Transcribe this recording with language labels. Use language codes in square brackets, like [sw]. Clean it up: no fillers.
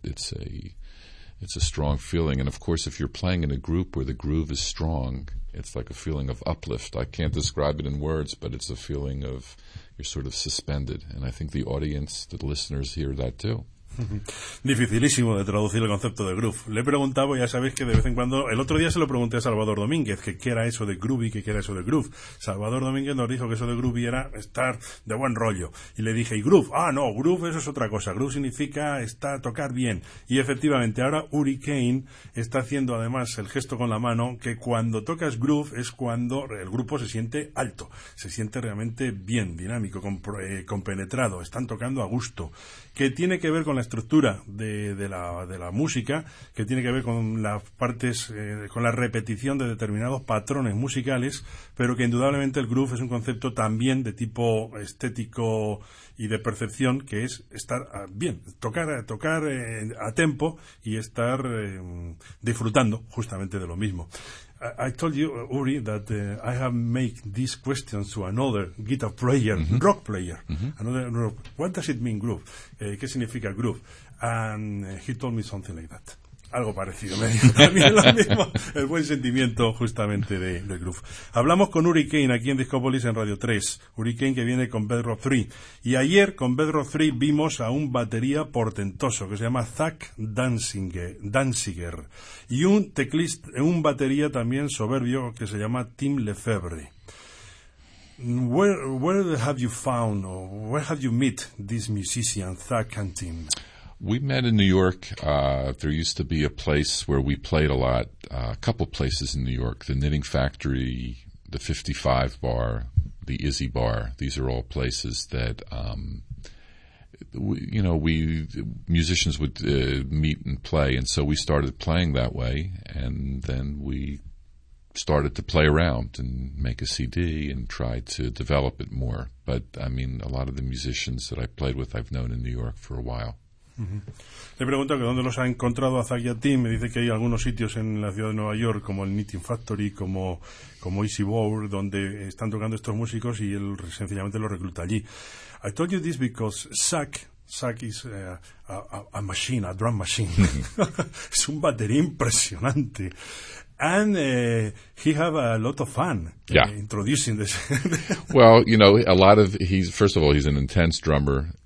[en] It's a strong feeling. And of course, if you're playing in a group where the groove is strong, it's like a feeling of uplift. I can't describe it in words, but it's a feeling of you're sort of suspended. And I think the audience, the listeners hear that too. [es] Dificilísimo de traducir el concepto de groove. Le he preguntado, ya sabéis que de vez en cuando, el otro día se lo pregunté a Salvador Domínguez, que qué era eso de groovy, que qué era eso de groove. Salvador Domínguez nos dijo que eso de groovy era estar de buen rollo. Y le dije, ¿y groove? Ah, no, groove eso es otra cosa. Groove significa estar, tocar bien. Y efectivamente, ahora Uri Kane está haciendo además el gesto con la mano, que cuando tocas groove es cuando el grupo se siente alto, se siente realmente bien, dinámico, compenetrado, están tocando a gusto. Que tiene que ver con la estructura de la música, que tiene que ver con las partes, con la repetición de determinados patrones musicales, pero que indudablemente el groove es un concepto también de tipo estético y de percepción, que es estar bien, tocar a tempo y estar disfrutando justamente de lo mismo. [en] I told you, Uri, that I have made these questions to another guitar player, mm-hmm. rock player. Mm-hmm. Another rock. What does it mean, groove? [es] ¿Qué significa groove? [en] And he told me something like that. [es] Algo parecido. Me dijo también lo mismo. El buen sentimiento, justamente, de groove. Hablamos con Uri Kane aquí en Discópolis en Radio 3. Uri Kane, que viene con Bedrock 3. Y ayer, con Bedrock 3, vimos a un batería portentoso que se llama Zach Danziger. Y un teclista, un batería también soberbio que se llama Tim Lefebvre. [en] Where have you found, or where have you met this musician, Zach and Tim? We met in New York. There used to be a place where we played a lot, a couple places in New York, the Knitting Factory, the 55 Bar, the Izzy Bar. These are all places that, musicians would meet and play, and so we started playing that way, and then we started to play around and make a CD and try to develop it more. But, I mean, a lot of the musicians that I played with I've known in New York for a while. Uh-huh. [es] Le pregunto que dónde los ha encontrado a Zach y a Tim. Me dice que hay algunos sitios en la ciudad de Nueva York, como el Knitting Factory, como Easy Bower, donde están tocando estos músicos, y él sencillamente los recluta allí. [en] I told you this because Zach is a machine, a drum machine. [es] Es un batería impresionante. [en] And he have a lot of fun introducing this. Well, you know, a lot of he's first of all he's an intense drummer.